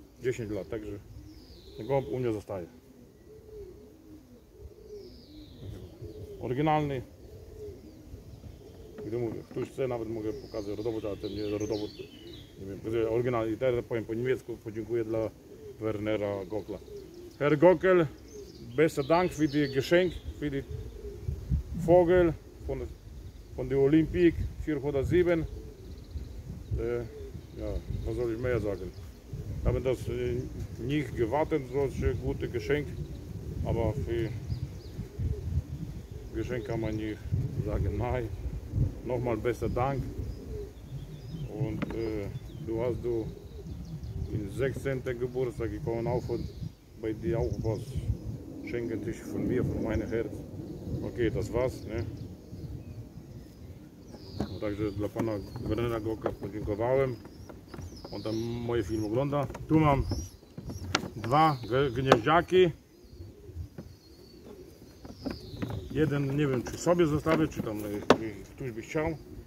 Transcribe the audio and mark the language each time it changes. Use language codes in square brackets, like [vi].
[pl] 10 lat, także ten gąb u mnie zostaje. Oryginalny. Gdy mówię, ktoś chce, nawet mogę pokazać rodowód, ale ten nie rodowód, nie wiem, oryginalny. I teraz powiem po niemiecku, podziękuję dla Wernera Gokla. [de] Herr Gokel, besten Dank für die Geschenk, für die Vogel von der Olympik 407. Ja, was soll ich mehr sagen? Ich habe das nicht gewartet, solche gute Geschenk, aber für Geschenk kann man nicht sagen, nein. Nochmal besten Dank. Und du hast du in 16. Geburtstag gekommen, auch von, bei dir auch was schenken dich von mir, von meinem Herz. Okay, das war's. Ne? [pl] Und także dla pana Wernera Gokla podziękowałem. [de] Und dann [pl] moje Film ogląda. Tu mam dwa gnieździaki. Jeden, nie wiem, czy sobie zostawię, czy tam ktoś by chciał.